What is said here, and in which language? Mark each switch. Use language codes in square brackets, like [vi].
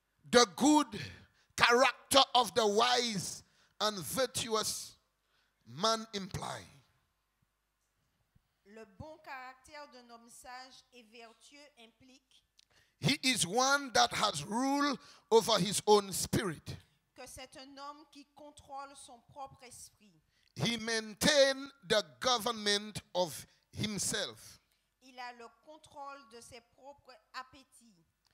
[en] The good character of the wise and virtuous man imply. [fr] Le bon caractère d'un homme sage et vertueux implique. [en] He is one that has rule over his own spirit. [fr] Que c'est un homme qui contrôle son propre esprit. [en] He maintains the government of himself. [fr] Il a le contrôle de ses propres appétits.